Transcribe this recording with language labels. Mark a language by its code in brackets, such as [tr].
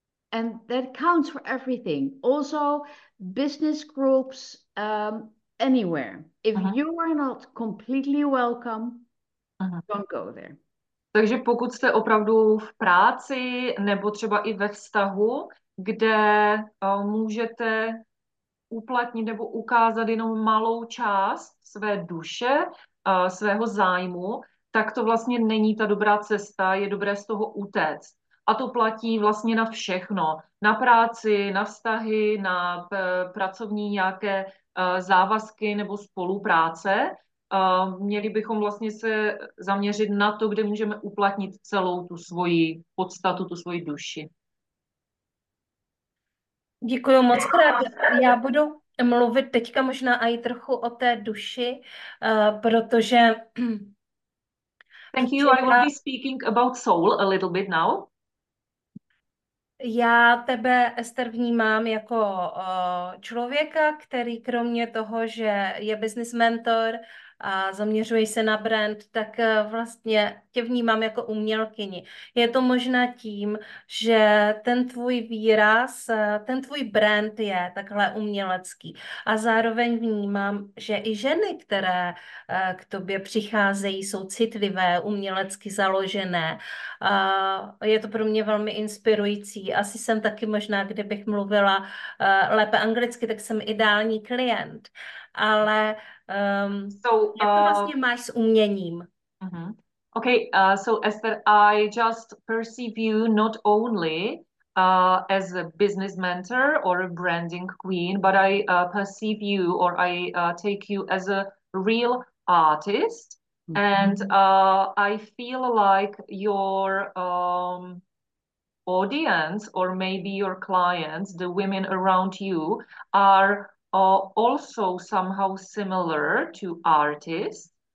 [en] And that counts for everything. Also, business groups, anywhere. If you are not completely welcome, don't go there. [cs] Takže pokud jste opravdu v práci nebo třeba i ve vztahu, kde můžete uplatnit nebo ukázat jenom malou část své duše, svého zájmu, tak to vlastně není ta dobrá cesta, je dobré z toho utéct. A to platí vlastně na všechno. Na práci, na vztahy, na pracovní nějaké závazky nebo spolupráce. Měli bychom vlastně se zaměřit na to, kde můžeme uplatnit celou tu svoji podstatu, tu svoji duši. Děkuji moc krát. Já budu mluvit teďka možná i trochu o té duši, protože... [en] Thank you, I will be speaking about soul a little bit now. [cs] Já tebe, Ester, vnímám jako člověka, který kromě toho, že je business mentor a zaměřuje se na brand, tak vlastně tě vnímám jako umělkyni. Je to možná tím, že ten tvůj výraz, ten tvůj brand je takhle umělecký. A zároveň vnímám, že i ženy, které k tobě přicházejí, jsou citlivé, umělecky založené. Je to pro mě velmi inspirující. Asi jsem taky možná, kdybych mluvila lépe anglicky, tak jsem ideální klient. Ale jak to vlastně máš s uměním? [en] Okay, so Esther, I just perceive you not only as a business mentor or a branding queen, but I perceive you or I take you as a real artist. Mm-hmm. And I feel like your audience or maybe your clients, the women around you, are also somehow similar to artists.